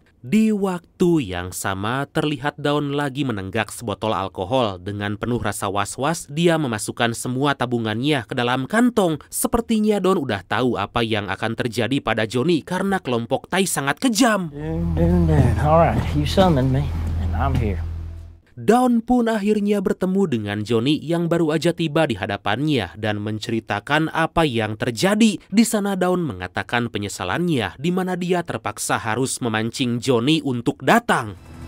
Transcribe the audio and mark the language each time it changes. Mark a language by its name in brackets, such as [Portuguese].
[Indonesian] Di waktu yang sama, terlihat Dawn lagi menenggak sebotol alkohol. Dengan penuh rasa was-was, dia memasukkan semua tabungannya ke dalam kantong. Sepertinya Dawn udah tahu apa yang akan terjadi pada Johnny karena kelompok Tai sangat kejam. [English] Alright, you summon me, and I'm here. [Indonesian] Dawn pun akhirnya bertemu dengan Johnny yang baru aja tiba di hadapannya dan menceritakan apa yang terjadi. Di sana Dawn mengatakan penyesalannya di mana dia terpaksa harus memancing Johnny untuk datang.